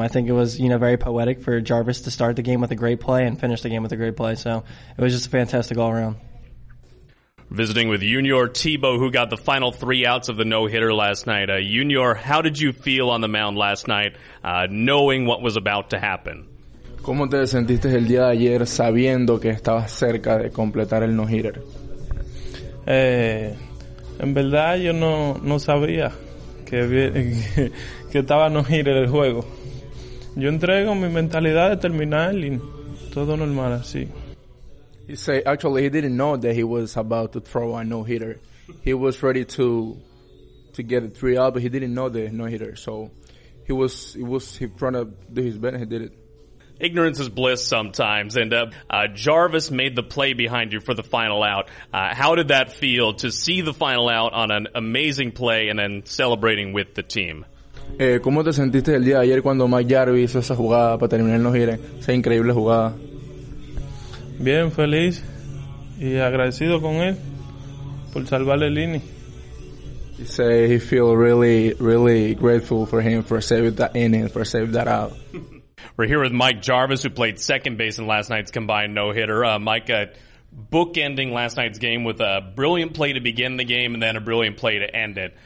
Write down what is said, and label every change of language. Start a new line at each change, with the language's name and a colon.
English: I think it was, you know, very poetic for Jarvis to start the game with a great play and finish the game with a great play. So it was just fantastic all around. Visiting with Junior Tebow, who got the final three outs of the no-hitter last night. Junior, how did you feel on the mound last night knowing what was about to happen?
Spanish: ¿Cómo te sentiste el día de ayer sabiendo que estabas cerca de completar el no-hitter? En verdad yo no sabía que estaba no-hitter el juego. Yo entrego mi mentalidad de terminar y todo normal así.
English: He said, actually he didn't know that he was about to throw a no-hitter. He was ready to get a three out, but he didn't know the no-hitter. So he was in front of his bench, he did it. Ignorance is bliss sometimes, and Jarvis made the play behind you for the final out. How did that feel to see the final out on an amazing play and then celebrating with the team?
Spanish: ¿Cómo te sentiste el día ayer cuando Mike Jarvis hizo esa jugada para terminar el no-hitter? Esa increíble jugada. Bien, feliz y agradecido con él por salvarle el inning.
English: He said he feels really, really grateful for him for saving that inning, for saving that out. We're here with Mike Jarvis, who played second base in last night's combined no-hitter. Mike, bookending last night's game with a brilliant play to begin the game and then a brilliant play to end it.